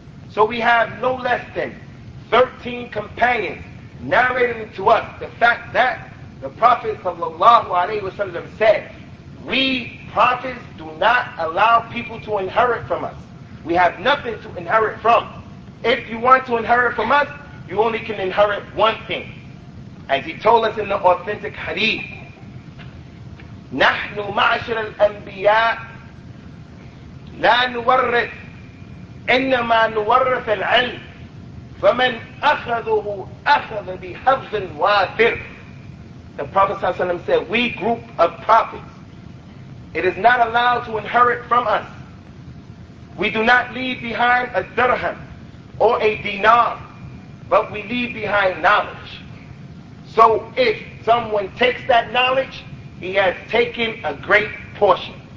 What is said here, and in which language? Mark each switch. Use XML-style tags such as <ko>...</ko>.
<en>So we have no less than 13 companions narrating to us the fact that the Prophet</en> <ar>sallallahu alaihi wasallam</ar> <en>said, we prophets do not allow people to inherit from us. We have nothing to inherit from. If you want to inherit from us, you only can inherit one thing. As he told us in the authentic hadith,</en> <ar>نَحْنُ مَعْشِرَ الْأَنْبِيَاءِ لَا نُوَرِّثْ إِنَّمَا نُوَرِّثَ الْعِلْمِ فَمَنْ أَخَذُهُ أَخَذَ بِحَفْظٍ وَافِرٍ.</ar> <en>The Prophet ﷺ said, we group of prophets, it is not allowed to inherit from us. We do not leave behind a dirham or a dinar, but we leave behind knowledge. So if someone takes that knowledge, he has taken a great portion.</en>